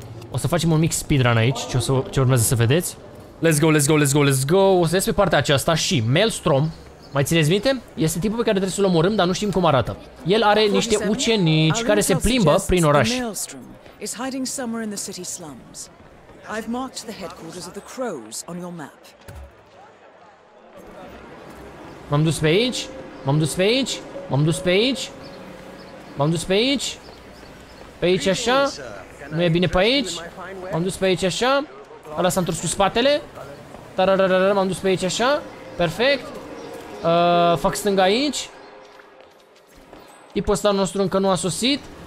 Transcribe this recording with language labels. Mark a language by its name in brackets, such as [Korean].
[Romanian] O să facem un mic speedrun aici, ce urmează să vedeți. [English] Let's go, let's go, let's go, let's go. [Romanian] O să ies pe partea aceasta și Maelstrom, mai țineți minte? Este tipul pe care trebuie să-l omorâm, dar nu știm cum arată. El are niște ucenici care se plimbă prin oraș. [English] Is hiding somewhere in the city slums. I've marked the headquarters of the Crows on your map. [Romanian] M-am dus pe aici, m-am dus pe aici, m-am dus pe aici, m-am dus pe aici, pe aici așa, nu e bine pe aici, m-am dus pe aici așa, ăla s-a întors cu spatele, tararararar, m-am dus pe aici așa, perfect, fac stânga aici, tipul ăsta nostru încă nu a sosit.